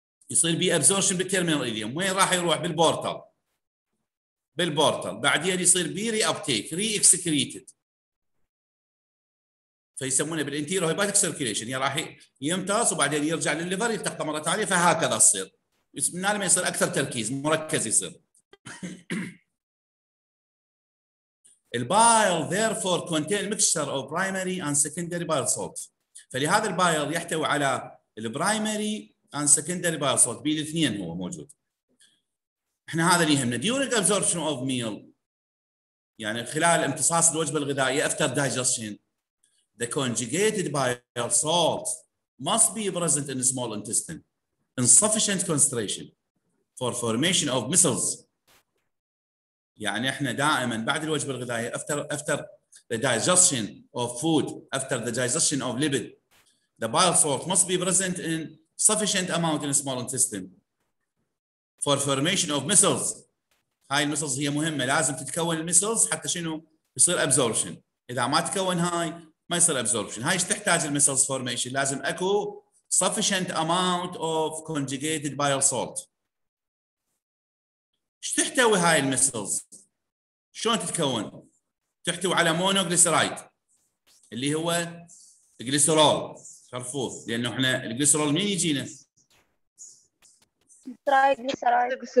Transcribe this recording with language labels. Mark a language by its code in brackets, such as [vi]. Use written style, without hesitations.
[ar] يصير بي ابزوربشن بالتيرمينال ايليوم، وين راح يروح؟ بالبورتال. بالبورتال بعدين يصير بي ري ابتيك ري اكسكريتد فيسمونه بالانتيرو هيباتيك سيركيليشن، يعني راح يمتص وبعدين يرجع للليفر يلتقط مره ثانيه. فهكذا تصير من هنا يصير اكثر تركيز مركز يصير. [en] البايل therefore contain mixture of primary and secondary bile salt. [ar] فلهذا البايل يحتوي على البرايمري [en] and secondary bile salt، [ar] بين الاثنين هو موجود. احنا هذا اللي يهمنا [en] during absorption of meal، [ar] يعني خلال امتصاص الوجبة الغذائية [en] after digestion، the conjugated bile salt must be present in the small intestine in sufficient concentration for formation of micelles. [ar] يعني احنا دائما بعد الوجبه الغذائيه [en] after the digestion of food after the digestion of lipid the bile salt must be present in sufficient amount in the small intestine for formation of micelles. [ar] هاي المسلز هي مهمه، لازم تتكون المسلز حتى شنو يصير absorption. اذا ما تكون هاي ما يصير absorption. هاي ايش تحتاج المسلز formation؟ لازم اكو [en] sufficient amount of conjugated bile salt. [ar] ايش تحتوي هاي المسلز؟ شلون تتكون؟ تحتوي على مونوغليسرايد اللي هو الجليسرول خرفوف، لانه احنا الجليسرول منين يجينا؟ [en] triglyceride